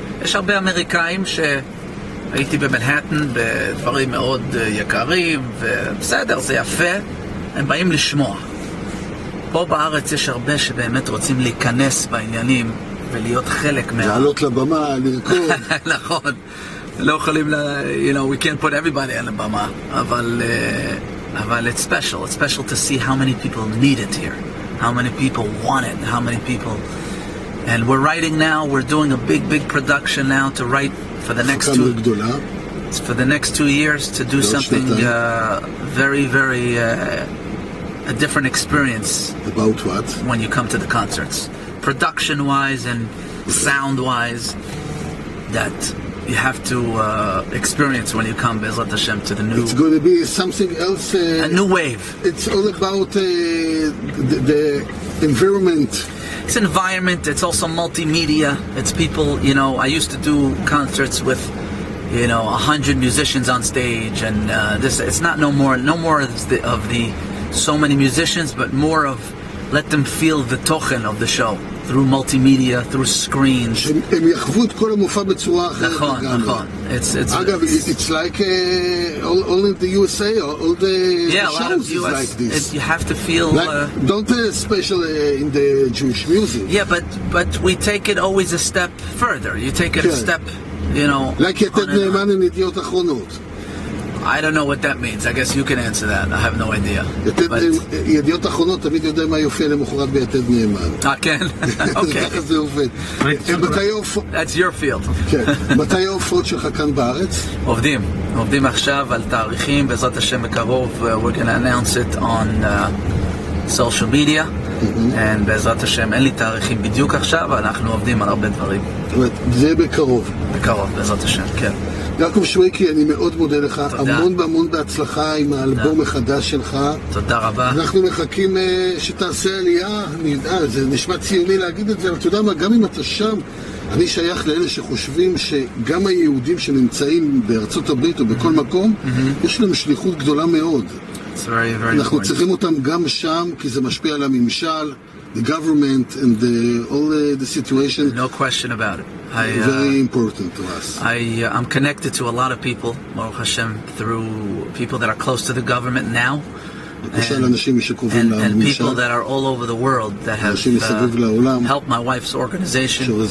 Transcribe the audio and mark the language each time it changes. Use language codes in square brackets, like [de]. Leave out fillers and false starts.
[he] יש הרבה אמריקאים שהייתי במנהטן בדברים מאוד יקרים, ובסדר, זה יפה. הם באים לשמוע. פה בארץ יש הרבה שבאמת רוצים להיכנס בעניינים ולהיות חלק מה... לעלות לבמה, לרקוד. נכון. לא יכולים ל... [en] You know, we can't put everybody on the במה, [he] אבל... אבל [en] it's special. It's special to see how many people need it here. How many people want it. How many people... And we're writing now. We're doing a big, big production now to write for the next two... For the next 2 years to do something very, very... a different experience. About what? When you come to the concerts. Production-wise and sound-wise. That... You have to experience when you come, Be'ezrat Hashem, to the new... It's going to be something else... A new wave. It's all about the environment. It's environment, it's also multimedia. It's people, you know, I used to do concerts with, you know, 100 musicians on stage, and this it's not no more of the so many musicians, but more of let them feel the tochen of the show. Through multimedia, through screens. [he] הם יחוו את כל המופע בצורה אחרת. נכון. [en] It's אגב, it's like all in the USA, all the shows is like this. You have to feel... Don't especially in the Jewish music. Yeah, but we take it always a step further. You take it a step, you know... [he] Like יתד נאמן עם ידיעות אחרונות. [en] I don't know what that means. I guess you can answer that. I have no idea. [he] ידיעות אחרונות תמיד יודע מה יופיע למחרת ביתד נאמן. כן. אוקיי. [en] That's your field. [he] כן. מתי ההופעות שלך כאן בארץ? עובדים. עובדים עכשיו על תאריכים. בעזרת השם בקרוב, [en] we're going to announce it on social media. [he] And בעזרת השם, אין לי תאריכים בדיוק עכשיו, אנחנו עובדים על הרבה דברים. זה בקרוב. בקרוב, בעזרת השם, כן. יעקב שוויקי, אני מאוד מודה לך. תודה. המון והמון בהצלחה עם האלבום החדש שלך. תודה רבה. אנחנו מחכים שתעשה עלייה. אני יודע, זה נשמע ציוני להגיד את זה, אבל אתה יודע מה, גם אם אתה שם, אני שייך לאלה שחושבים שגם היהודים שנמצאים בארצות הברית או בכל מקום, יש להם שליחות גדולה מאוד. [en] It's very, very [he] אנחנו [en] important. [he] צריכים אותם גם שם, כי זה משפיע על הממשל, [en] the government and all the situation. No question about it. Very important to us. I'm connected to a lot of people, Baruch Hashem, through people that are close to the government now, and people that are all over the world that have helped my wife's organization.